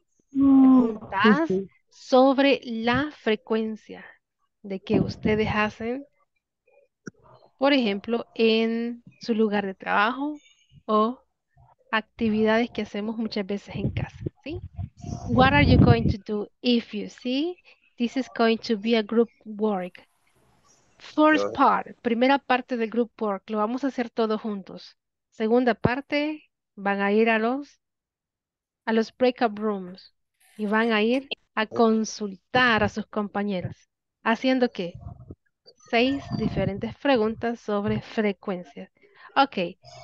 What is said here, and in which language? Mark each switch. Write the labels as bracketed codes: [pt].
[es] Preguntas sobre la frecuencia de que ustedes hacen, por ejemplo, en su lugar de trabajo o actividades que hacemos muchas veces en casa, ¿sí? [en] What are you going to do if you see this is going to be a group work? First part, [es] primera parte del group work, lo vamos a hacer todos juntos. Segunda parte, van a ir a los breakout rooms y van a ir a consultar a sus compañeros. ¿Haciendo qué? 6 diferentes preguntas sobre frecuencia. Ok.